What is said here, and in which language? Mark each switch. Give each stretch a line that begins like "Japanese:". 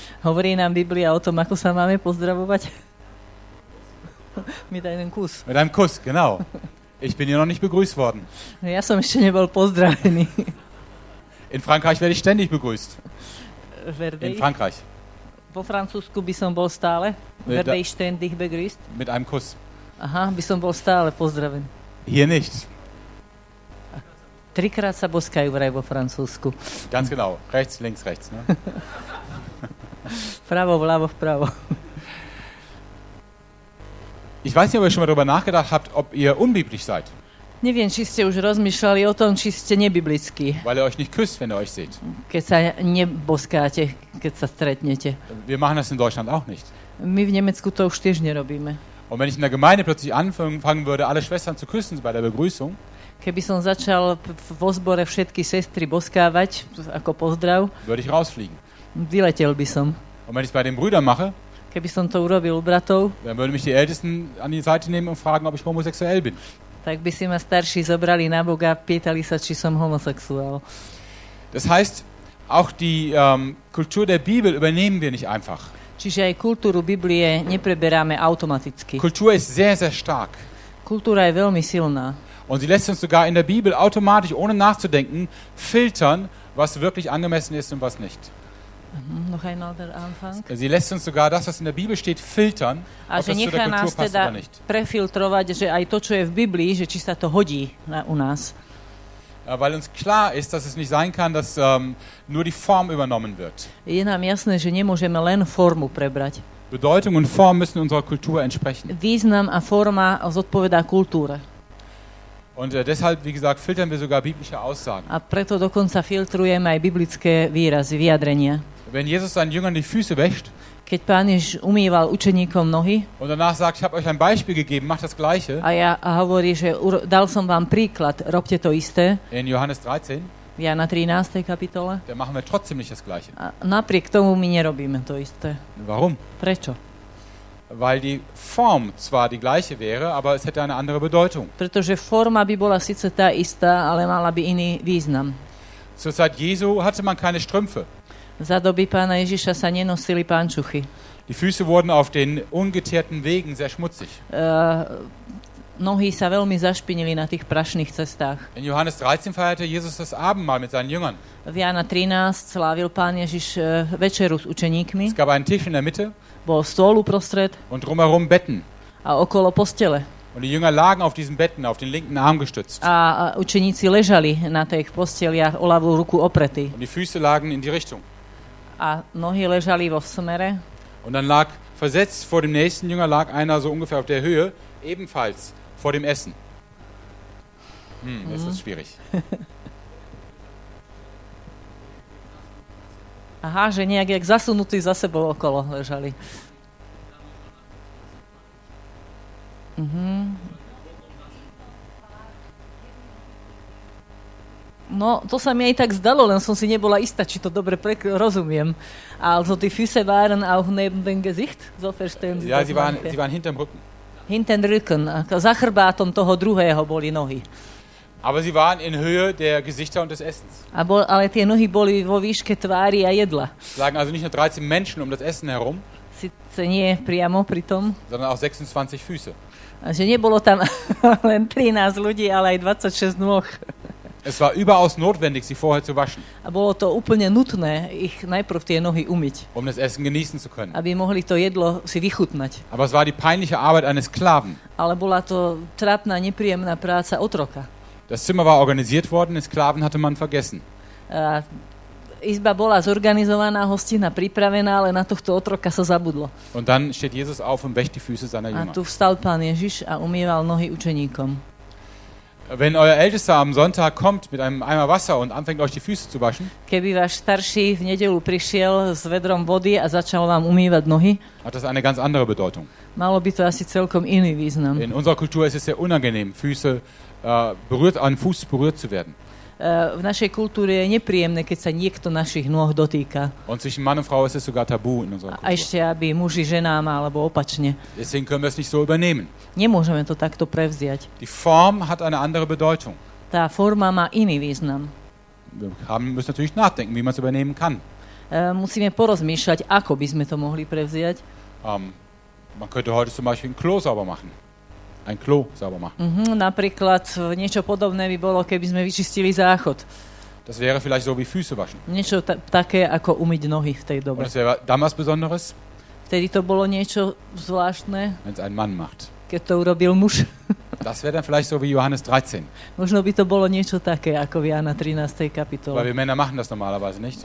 Slovak: Hovorí nám Biblia o tom, ako sa máme pozdravovať.
German: Mit einem Kuss. Mit einem Kuss, genau. Ich bin hier noch nicht begrüßt worden.
Slovak: Ja som ešte nebol pozdravený.
German: In Frankreich werde ich ständig begrüßt. Werde in Frankreich.
Slovak: Vo Francúzsku by som bol stále.
German: Werde ich ständig begrüßt. Mit einem Kuss.
Slovak: Aha, by som bol stále pozdravený.
German: Hier nicht.
Slovak: Trikrát sa boskajú vraj vo Francúzsku.
German: Ganz genau. Rechts, links, rechts. Ne?
Slovak: Pravo, vľavo, vpravo.
German: Ich weiß nicht, ob ihr schon mal darüber nachgedacht habt, ob ihr unbiblisch seid.
Slovak: Neviem, či ste už rozmýšľali o tom, či ste nebiblickí.
German: Weil ihr euch nicht küsst, wenn ihr euch seht.
Slovak: Keď sa neboskáte, keď sa stretnete.
German: Wir machen das in Deutschland auch nicht.
Slovak: My v Nemecku to už tiež nerobíme.
German: Und wenn ich in der Gemeinde plötzlich anfangen würde, alle Schwestern zu küssen bei der Begrüßung.
Slovak: Keby som začal vo zbore všetky sestry boskávať ako pozdrav.
German: Würde ich rausfliegen.
Slovak: Vyletel by som.
German: Und wenn ich es bei den Brüdern mache.
Slovak: Keby som to urobil u bratov.
German: Dann würden mich die Ältesten an die Seite nehmen und fragen, ob ich homosexuell bin.
Slovak: Tak by si ma starší zobrali na Boga a pýtali sa, či som homosexuál.
German: Das heißt, auch die Kultur der Bibel übernehmen wir nicht einfach.
Slovak: Čiže aj kultúru Biblie nepreberáme automaticky.
German: Kultur ist sehr, sehr stark.
Slovak: Kultúra je veľmi silná.
German: Und sie lässt uns sogar in der Bibel automatisch, ohne nachzudenken, filtern, was wirklich angemessen ist und was nicht. Noch einmal der Anfang. Sie lässt uns sogar das, was in der Bibel steht, filtern,
Slovak: a
German: ob das zu der Kultur passt
Slovak: teda
German: oder nicht.
Slovak: Prefiltrovať, že aj to, čo je v Biblii, že či sa to hodí na, u nás.
German: Weil uns klar ist, dass es nicht sein kann, dass nur die Form übernommen wird.
Slovak: Je nám jasné, že nemôžeme len formu prebrať.
German: Bedeutung und Form müssen unserer Kultur entsprechen.
Slovak: Význam a forma zodpovedá kultúre.
German: Und deshalb, wie gesagt, filtern wir sogar biblische Aussagen.
Slovak: A preto dokonca filtrujeme aj biblické výrazy, vyjadrenia.
German: Wenn Jesus seinen Jüngern die Füße wäscht,
Slovak: keď Pán Ježiš umýval učeníkom nohy,
German: und danach sagt, ich habe euch ein Beispiel gegeben, macht das gleiche,
Slovak: a ja hovorí, že dal som vám príklad, robte to isté,
German: in Johannes 13,
Slovak: v Jana 13. kapitole,
German: dann machen wir trotzdem nicht das gleiche.
Slovak: A napriek tomu my nerobíme to isté.
German: Warum?
Slovak: Prečo?
German: Weil die Form zwar die gleiche wäre, aber es hätte eine andere Bedeutung.
Slovak: Pretože forma by bola síce tá istá, ale mala by iný význam.
German: Zur Zeit Jesu hatte man keine Strümpfe.
Slovak: Za doby Pána Ježiša sa nenosili pančuchy.
German: Die Füße wurden auf den ungeteerten Wegen sehr schmutzig.
Slovak: Nohy sa veľmi zašpinili na tých prašných cestách.
German: In Johannes 13 feierte Jesus das Abendmahl mit seinen Jüngern.
Slovak: V Jana 13 slávil Pán Ježiš večeru s učeníkmi.
German: Es gab einen Tisch in der Mitte.
Slovak: Bol stôl uprostred.
German: Und drumherum Betten.
Slovak: A okolo postele.
German: Und die Jünger lagen auf diesen Betten, auf den linken Arm gestützt.
Slovak: A učeníci ležali na tých posteliach o ľavú ruku opretí.
German: Und die Füße lagen in die Richtung.
Slovak: A nohy ležali vo smere.
German: Und dann lag versetzt vor dem nächsten Jünger lag einer so ungefähr auf der Höhe, ebenfalls vor dem Essen. Das ist schwierig.
Slovak: Aha, že nejak jak zasunutí za sebou okolo ležali. No, to sa mi aj tak zdalo, len som si nebola istá, či to dobre rozumiem.
German: Also die Füße waren auch neben dem Gesicht, so verstehen Sie ja, das? Ja, sie waren hinterm Rücken. Hinterm Rücken,
Slovak: za chrbátom toho druhého boli nohy.
German: Aber sie waren in Höhe der Gesichter und des Essens.
Slovak: Ale tie nohy boli vo výške tvári a jedla.
German: Es lagen also nicht nur 13 Menschen um das Essen herum.
Slovak: Sice nie priamo pri tom.
German: Sondern auch 26 Füße.
Slovak: Že nebolo tam len 13 ľudí, ale aj 26 nôh.
German: Es war überaus notwendig, sie vorher zu waschen.
Slovak: A bolo to úplne nutné ich najprv tie nohy umyť.
German: Um das Essen genießen zu können.
Slovak: Aby mohli to jedlo si vychutnať.
German: Aber es war die peinliche Arbeit eines Sklaven.
Slovak: Ale bola to trápna, nepríjemná práca otroka.
German: Das Zimmer war organisiert worden, Sklaven hatte man vergessen.
Slovak: Izba bola zorganizovaná, hostina pripravená, ale na tohto otroka sa zabudlo.
German: Und dann steht Jesus auf und wäscht die Füße seiner Jünger.
Slovak: A tu vstal Pán Ježiš a umýval nohy učeníkom.
German: Wenn euer Ältester am Sonntag kommt mit einem Eimer Wasser und anfängt euch die Füße zu waschen.
Slovak: Keby váš starší v nedeľu prišiel s vedrom vody a začal vám umývať nohy.
German: Hat das eine ganz andere Bedeutung.
Slovak: Malo by to asi celkom iný význam.
German: In unserer Kultur ist es sehr unangenehm, Füße berührt, an Fuß berührt zu werden.
Slovak: V našej kultúre je nepríjemné, keď sa niekto našich nôh dotýka.
German: Und zwischen Mann und Frau ist es sogar tabu in unserer Kultur.
Slovak: A ešte aby muži ženám alebo opačne.
German: Deswegen können wir es nicht so übernehmen.
Slovak: Nemôžeme to takto prevziať.
German: Die Form hat eine andere Bedeutung.
Slovak: Tá forma má iný význam.
German: Wir müssen natürlich nachdenken, wie man es übernehmen kann.
Slovak: Musíme porozmýšľať, ako by sme to mohli prevziať.
German: Man könnte heute zum Beispiel ein Klo sauber machen. Ein Klo sauber machen.
Slovak: Napríklad niečo podobné by bolo, keby sme vyčistili záchod.
German: Das wäre vielleicht so wie Füße waschen.
Slovak: Niečo také ako umyť nohy v tej dobe.
German: Und das wäre damals besonderes.
Slovak: Vtedy to bolo niečo zvláštne.
German: Wenn's ein Mann macht.
Slovak: Keď to urobil muž.
German: Das wäre dann vielleicht so wie Johannes 13.
Slovak: Možno by to bolo niečo také ako v Jána 13. kapitole.
German: Weil wir Männer machen das normalerweise nicht.